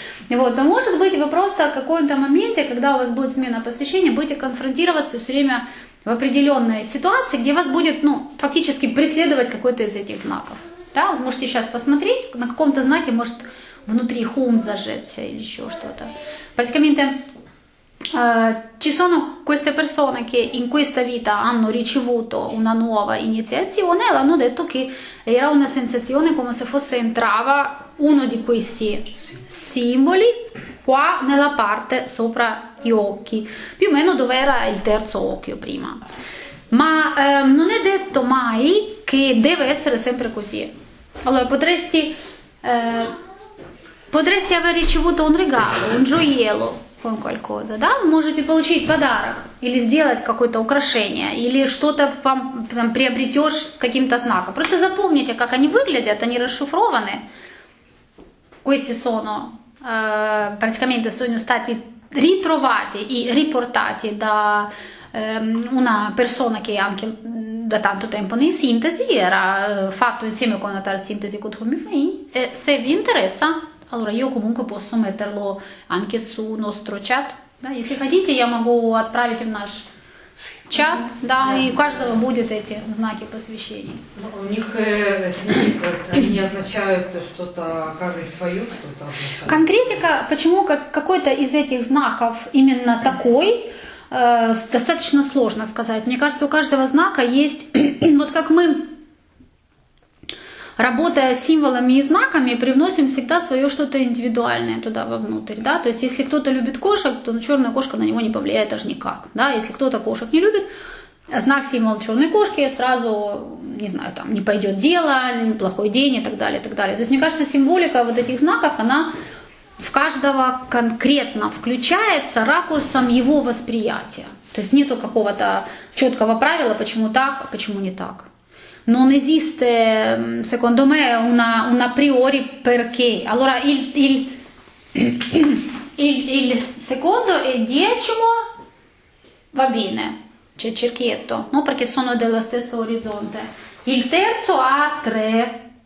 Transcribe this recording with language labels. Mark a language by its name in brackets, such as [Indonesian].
[Russian] Вот, то может быть вы просто в каком-то моменте, когда у вас будет смена посвящения, будете конфронтироваться все время в определенной ситуации, где вас будет, ну, фактически преследовать какой-то из этих знаков. Да, вы можете сейчас посмотреть, на каком-то знаке может внутри хум зажечься или еще что-то. [Italian] Практикаменте, ci sono queste persone che in questa vita hanno ricevuto una nuova iniziazione, l'hanno detto che era una sensazione come se fosse entrava uno di questi simboli qua nella parte sopra gli occhi, più o meno dove era il terzo occhio prima. Ma non è detto mai che deve essere sempre così. Allora potresti aver ricevuto un regalo, un gioiello, con qualcosa, [Russian] да? Можете получить подарок или сделать какое-то украшение, или что-то вам там, приобретешь с каким-то знаком. Просто запомните, как они выглядят, они расшифрованы. [Italian] Questi sono praticamente sono stati ritrovati e riportati da una persona che anche da tanto tempo nei sintesi era fatto insieme con la tal sintesi con Humifain. E se vi interessa, allora io comunque posso metterlo anche sul nostro chat. Se [Russian] хотите, я могу отправить в наш чат, да, и у каждого будет эти знаки посвящения. У них они означают что-то, каждый свое что-то. Конкретика, почему какой-то из этих знаков именно такой, достаточно сложно сказать. Мне кажется, у каждого знака есть, вот как мы, работая с символами и знаками, привносим всегда свое что-то индивидуальное туда вовнутрь, да, то есть если кто-то любит кошек, то черная кошка на него не повлияет аж никак, да, если кто-то кошек не любит, знак, символ черной кошки сразу, не знаю, там, не пойдет дело, плохой день и так далее, и так далее. То есть мне кажется, символика вот этих знаков, она в каждого конкретно включается ракурсом его восприятия, то есть нету какого-то четкого правила, почему так, а почему не так. [Italian] Non esiste, secondo me, una priori perché. Allora, il secondo e decimo va bene, c'è cerchietto, no? Perché sono dello stesso orizzonte. Il terzo ha tre